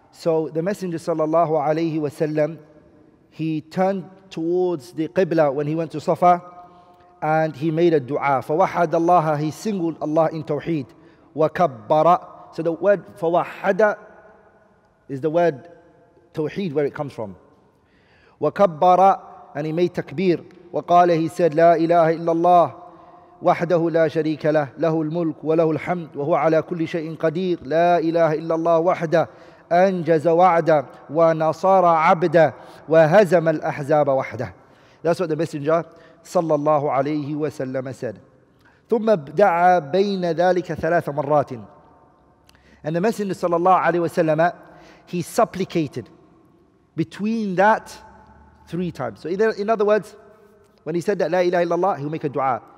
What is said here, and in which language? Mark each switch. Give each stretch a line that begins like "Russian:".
English: So the Messenger sallallahu alayhi wa sallam, he turned towards the Qibla when he went to Safa and he made a dua.
Arabic: فَوَحَدَ اللَّهَ,
English: he singled Allah in Tawheed.
Arabic: وَكَبَّرَ.
English: So the word فَوَحَدَ is the word Tawheed where it comes from.
Arabic: وَكَبَّرَ,
English: and he made takbir.
Arabic: وَقَالَ,
English: he said,
Arabic: لَا إِلَهَ إِلَّا اللَّهِ وحده لا شريك له له الملك وله الحمد وهو على كل شيء قدير لا إله إلا الله وحده أنجز وعده ونصر عبده وهزم الأحزاب وحده.
English: That's what the Messenger
Arabic: صلى الله عليه وسلم
English: said.
Arabic: ثم دعا بين ذلك ثلاث مرات.
English: And the Messenger
Arabic: صلى الله عليه وسلم,
English: he supplicated between that three times. So in other words, when he said that
Arabic: لا إله إلا الله,
English: he'll make a dua.